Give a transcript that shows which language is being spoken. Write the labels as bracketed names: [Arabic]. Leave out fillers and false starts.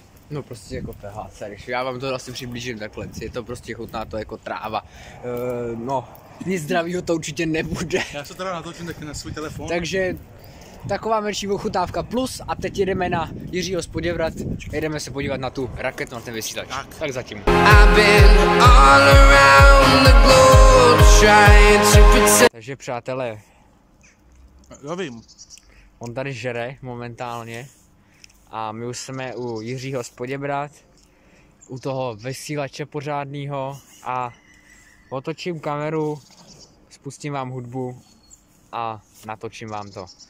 [Czech] No prostě jako THC, když já vám to asi přiblížím takhle, je to prostě chutná, to jako tráva. No, nic zdravýho to určitě nebude. Já se teda natočím taky na svůj telefon. Takže, taková menší ochutávka plus a teď jedeme na Jiřího z Poděbrad, jedeme se podívat na tu raketu, na ten vysílač. Tak. Tak zatím. [English] I've been all around the globe trying to pretend. [Czech] Takže přátelé. Já vím. On tady žere momentálně. A my už jsme u Jiřího z Poděbrad. U toho vysílače pořádného. A otočím kameru, spustím vám hudbu a natočím vám to.